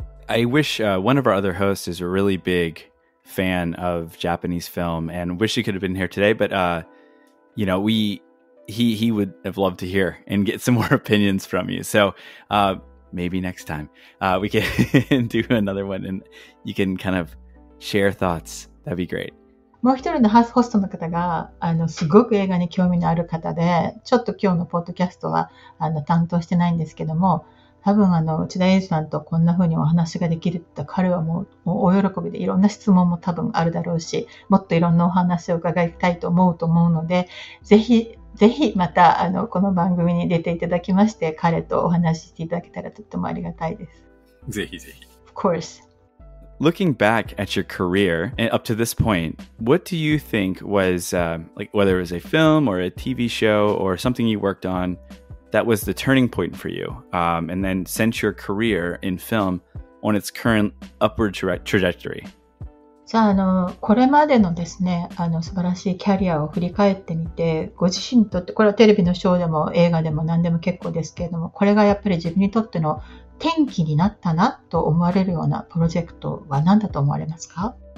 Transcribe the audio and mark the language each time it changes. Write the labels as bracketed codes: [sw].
[en] I wish one of our other hosts is a really big fan of Japanese film and wish he could have been here today, but you know, he would have loved to hear and get some more opinions from you. So maybe next time we can do another one and you can kind of share thoughts. That'd be great. [ja] もう一人のハウスホストの方が、あのすごく映画に興味のある方で、ちょっと今日のポッドキャストはあの担当してないんですけども、多分あの内田英治さんとこんな風にお話ができるって彼はもう大喜びで、いろんな質問も多分あるだろうし、もっといろんなお話を伺いたいと思うと思うので、ぜひぜひまたあのこの番組に出ていただきまして、彼とお話ししていただけたらとってもありがたいです。ぜひぜひ。 [en] Of course. Looking back at your career up to this point, what do you think was, like whether it was a film or a TV show or something you worked on, that was the turning point for you? And then sent your career in film on its current upward trajectory? [ja] さあ、あの、これまでのですね、あの、素晴らしいキャリアを振り返ってみて、ご自身にとって、これはテレビのショーでも映画でも何でも結構ですけれども、これがやっぱり自分にとっての転機になったなと思われるようなプロジェクトは何だと思われますか？